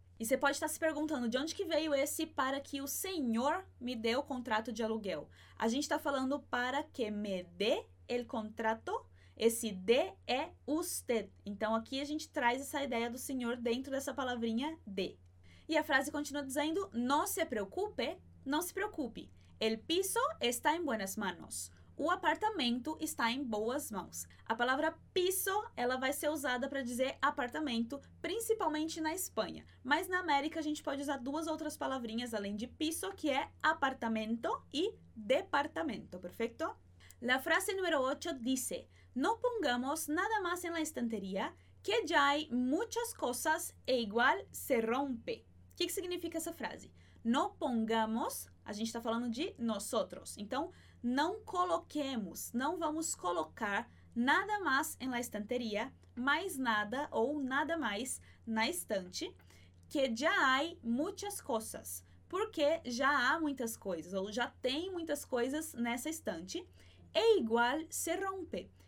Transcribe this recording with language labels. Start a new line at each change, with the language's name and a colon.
Portuguese: E você pode estar se perguntando de onde que veio esse para que o senhor me dê o contrato de aluguel. A gente está falando para que me dê
Spanish: el contrato.
Portuguese: Esse de é usted. Então, aqui a gente traz essa ideia do senhor dentro dessa palavrinha de. E a frase continua dizendo,
Spanish: no se preocupe,
Portuguese: não se preocupe.
Spanish: El piso está en buenas manos.
Portuguese: O apartamento está em boas mãos. A palavra piso, ela vai ser usada para dizer apartamento, principalmente na Espanha. Mas na América a gente pode usar duas outras palavrinhas além de piso, que é apartamento e departamento, perfeito?
Spanish: La frase número 8 dice, no pongamos nada más en la estantería, que ya hay muchas cosas e igual se rompe.
Portuguese: O que, que significa essa frase?
Spanish: No pongamos,
Portuguese: a gente está falando de nosotros. Então, não coloquemos, não vamos colocar nada mais em
Spanish: la estanteria,
Portuguese: mais nada ou nada mais na estante, que já há muitas coisas, porque já há muitas coisas, ou já tem muitas coisas nessa estante, é igual se rompe.